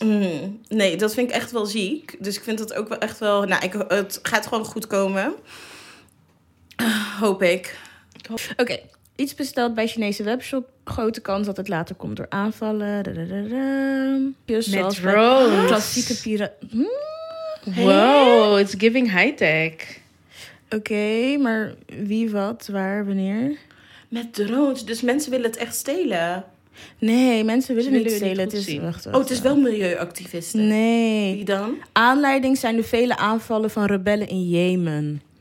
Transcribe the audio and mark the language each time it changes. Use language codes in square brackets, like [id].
[nl] Mm. Nee, dat vind ik echt wel ziek. Dus ik vind dat ook wel echt wel... Nou, het gaat gewoon goed komen. Hoop ik. Oké. Iets besteld bij Chinese webshop. Grote kans dat het later komt door aanvallen. Met drones. Klassieke piraten. Hmm. [en] Wow, it's giving high-tech. [nl] Oké, maar wie, wat, waar, wanneer... Met drones. Dus mensen willen het echt stelen? Nee, mensen willen het niet stelen. Het is, het is wel milieuactivisten. Nee. Wie dan? Aanleiding zijn de vele aanvallen van rebellen in Jemen.